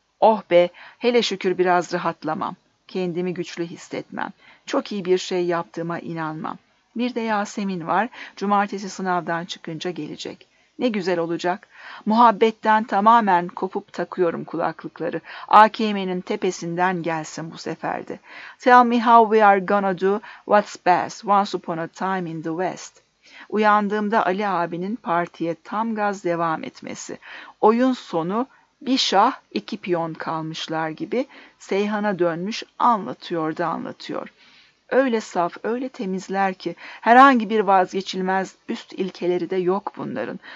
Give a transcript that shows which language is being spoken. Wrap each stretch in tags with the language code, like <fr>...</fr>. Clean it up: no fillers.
<tr>Oh be, hele şükür biraz rahatlamam. Kendimi güçlü hissetmem. Çok iyi bir şey yaptığıma inanmam. Bir de Yasemin var, cumartesi sınavdan çıkınca gelecek. Ne güzel olacak. Muhabbetten tamamen kopup takıyorum kulaklıkları. AKM'nin tepesinden gelsin bu sefer de.</tr> <en>Tell me how we are gonna do what's best once upon a time in the West.</en> <tr>Uyandığımda Ali abinin partiye tam gaz devam etmesi. Oyun sonu bir şah iki piyon kalmışlar gibi Seyhan'a dönmüş anlatıyor da anlatıyor. Öyle saf, öyle temizler ki herhangi bir vazgeçilmez üst ilkeleri de yok bunların.</tr>